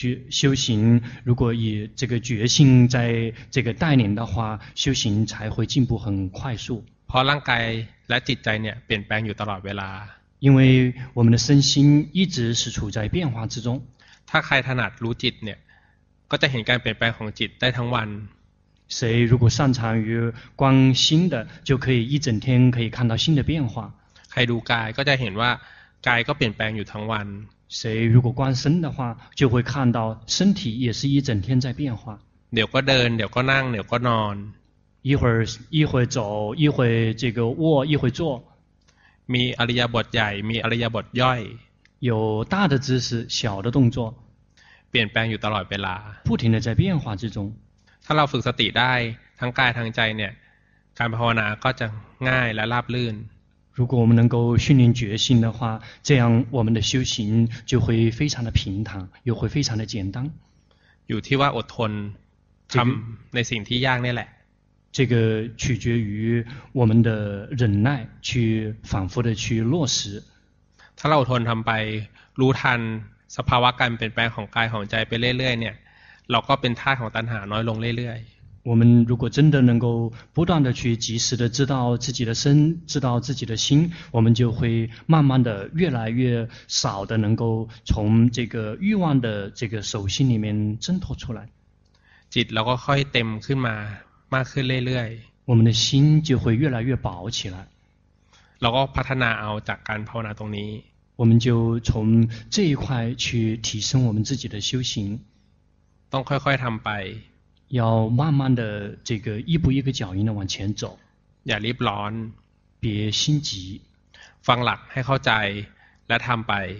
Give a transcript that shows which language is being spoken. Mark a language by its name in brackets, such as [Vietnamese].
[Chinese] 修行如果以这个决心在这个带领的话，修行才会进步很快速。 [Thai] เพราะร่างกายและจิตใจเนี่ยเปลี่ยนแปลงอยู่ตลอดเวลา [Chinese] 因为我们的身心一直是处在变化之中。 [Thai] ถ้าใครถนัดรู้จิตเนี่ยก็จะเห็นการเปลี่ยนแปลงของจิตได้ทั้งวัน [Chinese] 谁如果擅长于观心的，就可以一整天可以看到心的变化。 [Thai] ใครดูกายก็จะเห็นว่ากายก็เปลี่ยนแปลงอยู่ทั้งวัน [Chinese] 谁如果观身的话，就会看到身体也是一整天在变化。 [Thai] เดี๋ยวก็เดินเดี๋ยวก็นั่งเดี๋ยวก็นอน [Chinese] 一会走，一会这个卧，一会坐。 [Thai] มีอริยบทใหญ่มีอริยบทย่อย [Chinese] 有大的姿势，小的动作。 [Thai] เปลี่ยนแปลงอยู่ตลอดเวลา [Chinese] 不停的在变化之中。 [Thai] ถ้าเราฝึกสติได้ทั้งกายทั้งใจเนี่ยการภาวนาก็จะง่ายและราบรื่น [Chinese] 如果我们能够训练决心的话，这样我们的修行就会非常的平坦，又会非常的简单。 [Thai] อยู่ที่ว่าอดทนทำในสิ่งที่ยากนี่แหละ [Chinese] 这个取决于我们的忍耐，去反复的去落实。 [Thai] ถ้าเราทนทำไปรู้ทันสภาวะการเปลี่ยนแปลงของกายของใจไปเรื่อยๆเนี่ยเราก็เป็นท่าของตัณหาน้อยลงเรื่อย [Chinese] ๆ我们如果真的能够不断的去及时的知道自己的身知道自己的心我们就会慢慢的越来越少的能够从这个欲望的这个手心里面挣脱出来 [Thai] จิตเราก็ค่อยเต็มขึ้นมามากขึ้นเรื่อย [Chinese] ๆ我们的心就会越来越饱起来 [Thai] เราก็พัฒนาเอาจากการภาวนาตรงนี้ [Chinese] 我们就从这一块去提升我们自己的修行 [Thai] ต้องค่อยๆทำไป [Chinese] 要慢慢的这个一步一个脚印的往前走 [Thai] อย่ารีบร้อน [Chinese] 别心急 [Thai] ฟังหลักให้เข้าใจและทำไป